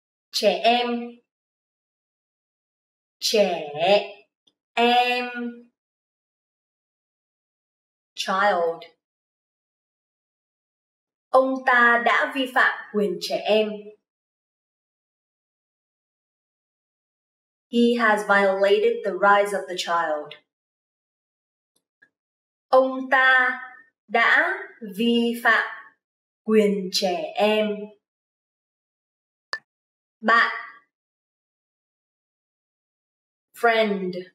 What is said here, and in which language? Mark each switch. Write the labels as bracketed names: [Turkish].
[Vietnamese] Trẻ em. Trẻ em. [English] Child. [Vietnamese] Ông ta đã vi phạm quyền trẻ em. [English] He has violated the rights of the child. [Vietnamese] Ông ta đã vi phạm quyền trẻ em. Bạn. [English] Friend.